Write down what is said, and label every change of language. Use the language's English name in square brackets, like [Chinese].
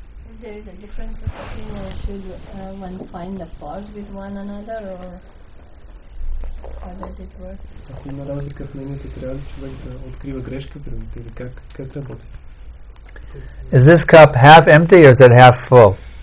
[English] if there is a difference of opinion, should one find a fault with one another, or how does it work? [Bulgarian] Ако има разлика в мнението, трябва ли човек да открива грешка пред теб? Как работи? [English] Is this cup half empty or is it half full?